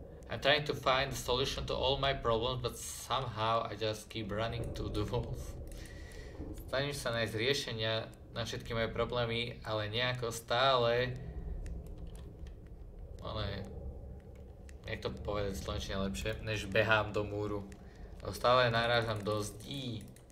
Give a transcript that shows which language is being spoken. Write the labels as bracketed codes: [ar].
[en] I'm trying to find the solution to all my problems, but somehow I just keep running to the walls. [sk] Snažím sa nájsť riešenia na všetky moje problémy, ale nejako stále Jak to povedať slovenčine lepšie, než behám do múru. Lebo stále narážam do zdí.